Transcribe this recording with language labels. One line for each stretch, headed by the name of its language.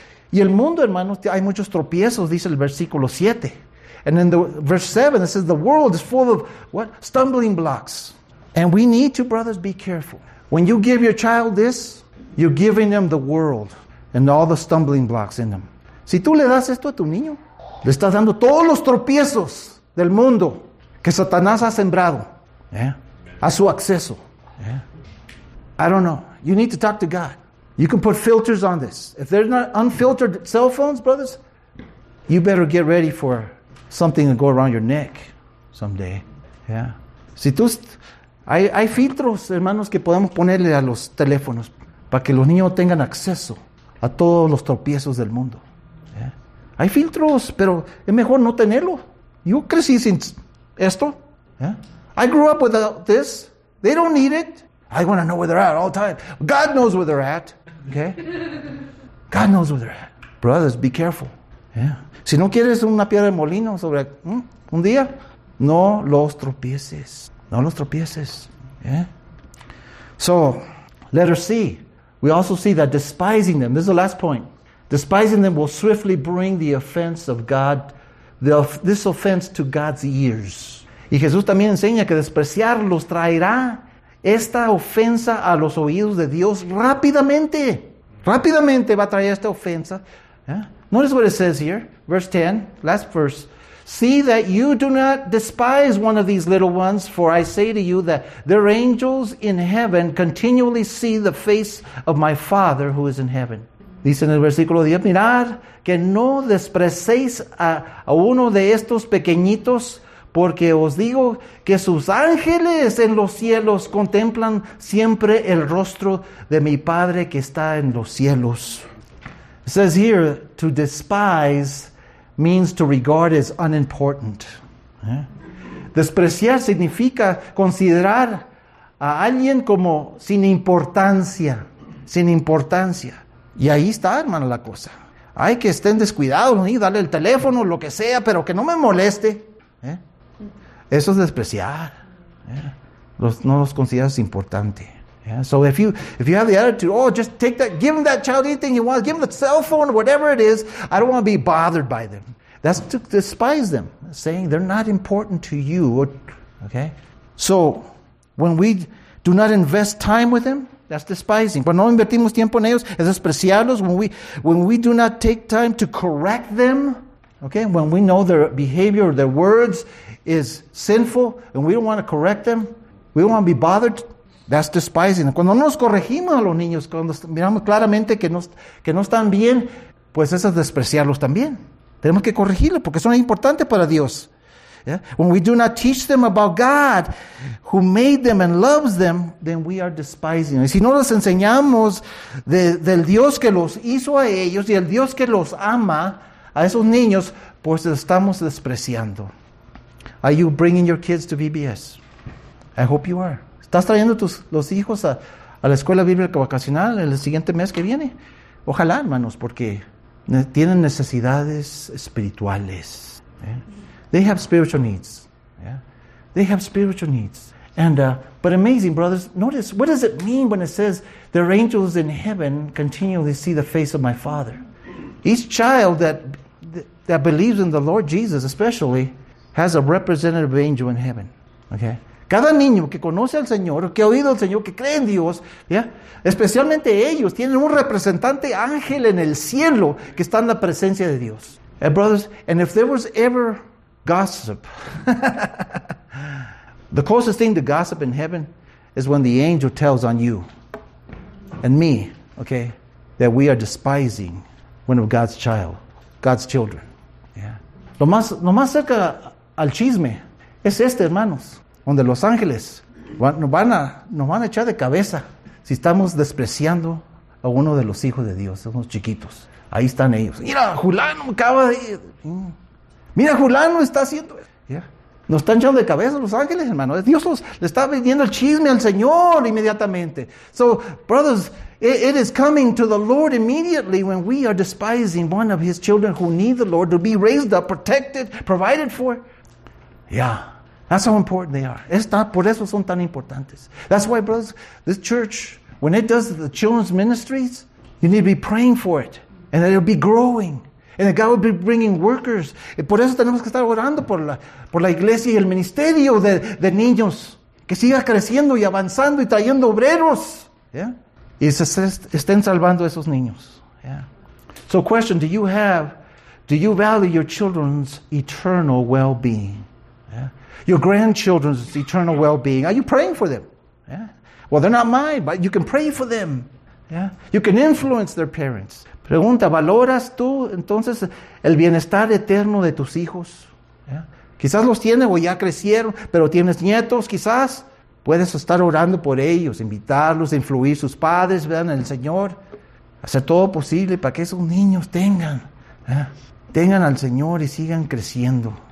Spanish: Y el mundo, hermanos, hay muchos tropiezos, dice el versículo 7.
English: And in the verse 7, it says, the world is full of what? Stumbling blocks. And we need to, brothers, be careful. When you give your child this, you're giving them the world and all the stumbling blocks in them.
Spanish: Si tú le das esto a tu niño, le estás dando todos los tropiezos del mundo que Satanás ha sembrado.
English: Yeah.
Spanish: A su acceso.
English: Yeah. I don't know. You need to talk to God. You can put filters on this. If they're not unfiltered cell phones, brothers, you better get ready for something to go around your neck someday. Yeah.
Spanish: Si tú Hay filtros, hermanos, que podemos ponerle a los teléfonos para que los niños tengan acceso a todos los tropiezos del mundo. ¿Eh? Hay filtros, pero es mejor no tenerlo. Yo crecí sin esto. ¿Eh?
English: I grew up without this. They don't need it. I want to know where they're at all the time. God knows where they're at. Okay? God knows where they're at. Brothers, be careful. ¿Eh?
Spanish: Si no quieres una piedra de molino sobre un día, no los tropieces. No los tropieces. ¿Eh?
English: So, letter C. We also see that despising them, this is the last point, despising them will swiftly bring the offense of God, this offense to God's ears.
Spanish: Y Jesús también enseña que despreciarlos traerá esta ofensa a los oídos de Dios rápidamente. Rápidamente va a traer esta ofensa. ¿Eh?
English: Notice what it says here, verse 10, last verse. See that you do not despise one of these little ones, for I say to you that their angels in heaven continually see the face of my Father who is in heaven.
Spanish: Dice en el versículo 10, mirad que no desprecéis a uno de estos pequeñitos, porque os digo que sus ángeles en los cielos contemplan siempre el rostro de mi Padre que está en los cielos.
English: It says here, to despise means to regard as unimportant. ¿Eh?
Spanish: Despreciar significa considerar a alguien como sin importancia. Sin importancia. Y ahí está, hermano, la cosa. Ay, que estén descuidados, ¿no? Y dale el teléfono, lo que sea, pero que no me moleste. ¿Eh? Eso es despreciar. ¿Eh? No los consideras importante.
English: Yeah, so if you have the attitude, oh, just take that, give them that child anything he wants, give them the cell phone, whatever it is, I don't want to be bothered by them. That's to despise them, saying they're not important to you. Okay? So when we do not invest time with them, that's despising.
Spanish: Cuando no invertimos tiempo en ellos, es despreciarlos.
English: When we do not take time to correct them, okay, when we know their behavior or their words is sinful and we don't want to correct them, we don't want to be bothered. That's despising.
Spanish: Cuando no nos corregimos a los niños, cuando miramos claramente que no están bien, pues eso es despreciarlos también. Tenemos que corregirlos porque son importantes para Dios.
English: Yeah? When we do not teach them about God, who made them and loves them, then we are despising.
Spanish: Y si no les enseñamos del Dios que los hizo a ellos y el Dios que los ama a esos niños, pues estamos despreciando.
English: Are you bringing your kids to VBS? I hope you are.
Spanish: ¿Estás trayendo los hijos a la escuela bíblica vacacional el siguiente mes que viene? Ojalá, hermanos, porque tienen necesidades espirituales. Yeah?
English: They have spiritual needs. Yeah? They have spiritual needs. And but amazing, brothers, notice, what does it mean when it says their angels in heaven continually see the face of my Father? Each child that believes in the Lord Jesus, especially, has a representative angel in heaven. Okay?
Spanish: Cada niño que conoce al Señor, que ha oído al Señor, que cree en Dios, ¿ya? Especialmente ellos, tienen un representante ángel en el cielo que está en la presencia de Dios.
English: And brothers, and if there was ever gossip, the closest thing to gossip in heaven is when the angel tells on you and me, okay, that we are despising one of God's child, God's children. Yeah.
Spanish: Lo más cerca al chisme es este, hermanos. Donde los ángeles nos van a echar de cabeza si estamos despreciando a uno de los hijos de Dios, a unos chiquitos. Ahí están ellos. Mira, Julano acaba de ir. Mira, Julano está haciendo. Yeah. Nos están echando de cabeza los ángeles, hermano. Dios le está vendiendo el chisme al Señor inmediatamente.
English: So, brothers, it is coming to the Lord immediately when we are despising one of his children who need the Lord to be raised up, protected, provided for. Yeah. That's how important they are.
Spanish: Por eso son tan importantes.
English: That's why, brothers, this church, when it does the children's ministries, you need to be praying for it. And that it'll be growing. And that God will be bringing workers.
Spanish: Y por eso tenemos que estar orando por la iglesia y el ministerio de niños. Que siga creciendo y avanzando y trayendo obreros. Yeah? Y se estén salvando esos niños. Yeah.
English: So question, do you value your children's eternal well-being? Your grandchildren's eternal well-being. Are you praying for them? Yeah. Well, they're not mine, but you can pray for them. Yeah. You can influence their parents.
Spanish: Pregunta, ¿valoras tú entonces el bienestar eterno de tus hijos? Yeah. Quizás los tienes o ya crecieron, pero tienes nietos quizás. Puedes estar orando por ellos, invitarlos, influir sus padres, ¿verdad?, en el Señor. Hacer todo posible para que esos niños tengan, tengan al Señor y sigan creciendo.